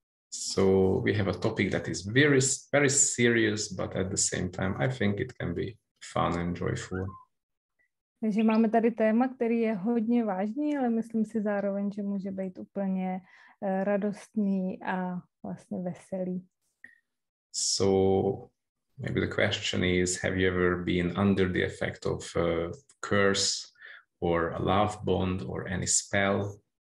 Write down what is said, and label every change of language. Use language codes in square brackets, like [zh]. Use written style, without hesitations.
[en] So we have a topic that is very, very serious, but at the same time, I think it can be fun and joyful. [cs] Takže máme tady téma, který je hodně vážný, ale myslím si zároveň, že může být úplně radostný a vlastně veselý. [en] So maybe the question is, have you ever been under the effect of a curse or a love bond or any spell?